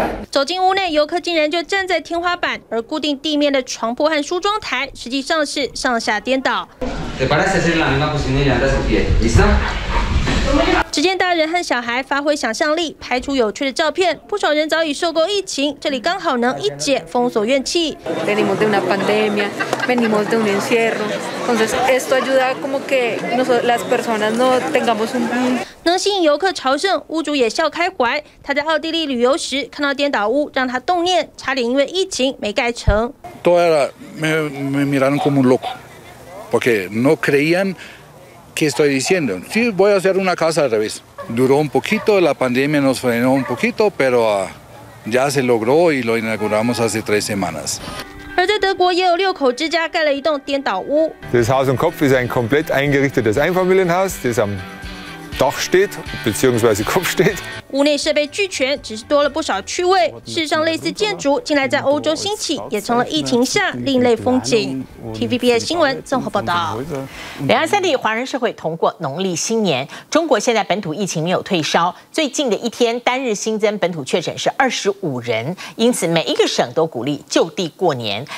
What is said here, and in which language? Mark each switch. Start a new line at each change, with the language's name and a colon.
Chinese: 走进屋内，游客竟然就站在天花板，而固定地面的床铺和梳妆台实际上是上下颠倒。只见大人和小孩发挥想象力，拍出有趣的照片。不少人早已受够疫情，这里刚好能一解封锁怨气。
Spanish: Venimos de una pandemia, venimos de un encierro, entonces esto ayuda como que nosotros las personas no tengamos un
Chinese: 能吸引游客朝圣，屋主也笑开怀。他在奥地利旅游时看到颠倒屋，让他动念，差点因为疫情没盖成。
Spanish: Todo era me miraron como un loco, porque no creían. ¿Qué estoy diciendo? Sí, voy a hacer una casa al revés. Duró un poquito, la pandemia nos frenó un poquito, pero ya se logró y lo inauguramos hace 3 semanas.
Chinese: 而在德国也有六口之家盖了一栋颠倒屋。
German: Das Haus im Kopf ist ein komplett eingerichtetes Einfamilienhaus, das am Dach steht bzw. Kopf steht.
Chinese: 屋内设备俱全，只是多了不少趣味。事实上，类似建筑近来在欧洲兴起，也成了疫情下另类风景。 TVBS 新闻综合报道。两岸三地华人社会同过农历新年，中国现在本土疫情没有退烧，最近的一天单日新增本土确诊是25人，因此每一个省都鼓励就地过年。